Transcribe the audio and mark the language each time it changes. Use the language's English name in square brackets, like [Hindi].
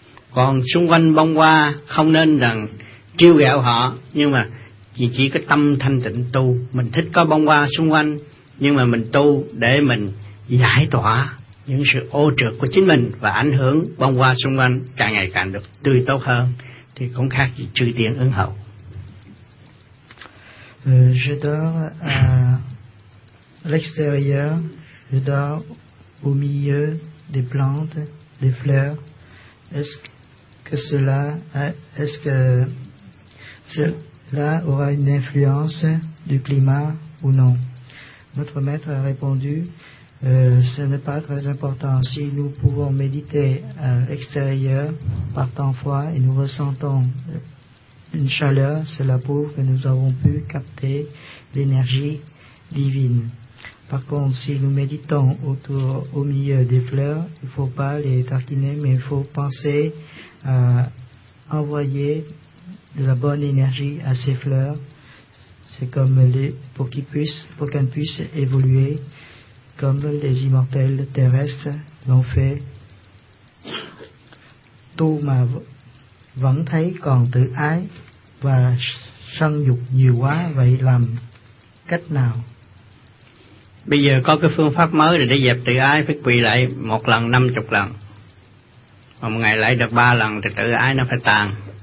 [Vietnamese] Còn xung quanh bông hoa không nên rằng trêu ghẹo họ, nhưng mà chỉ có tâm thanh tịnh tu. Mình thích có bông hoa xung quanh, nhưng mà mình tu để mình giải tỏa những sự ô trượt của chính mình và ảnh hưởng bông hoa xung quanh càng ngày càng được tươi tốt hơn, thì cũng khác gì chư tiên ứng hậu. [French] Je dors à l'extérieur, je dors au milieu des plantes, des fleurs. Est-ce que cela aura une influence du climat ou non? Notre maître a répondu, Ce n'est pas très important. Si nous pouvons méditer à l'extérieur par temps froid et nous ressentons une chaleur, c'est la preuve que nous avons pu capter l'énergie divine. Par contre, si nous méditons autour, au milieu des fleurs, il ne faut pas les taquiner, mais il faut penser à envoyer de la bonne énergie à ces fleurs. C'est comme pour qu'elles puissent évoluer comme les immortels terrestres l'ont fait. [Vietnamese] Tu mà vẫn thấy còn tự ái và sân dục nhiều quá, vậy làm cách nào? Bây giờ có cái phương pháp mới để dẹp tự ái, phải quỳ lại một lần 50 lần, mà một ngày lại được 3 lần thì tự ái nó phải tàn.